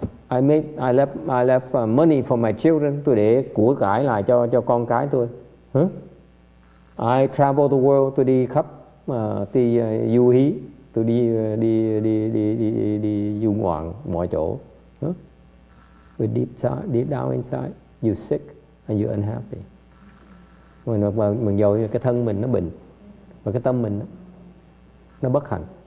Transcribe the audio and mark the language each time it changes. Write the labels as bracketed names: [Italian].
[English] I left money for my children, [Vietnamese] tôi để của cải lại cho con cái tôi. Huh? [English] I travel the world, [Vietnamese] tôi đi khắp du hí, tôi đi du ngoạn mọi chỗ. Huh? [English] But deep down inside, you're sick and you're unhappy. [Vietnamese] Mình dầu cái thân mình nó bệnh và cái tâm mình nó bất hạnh.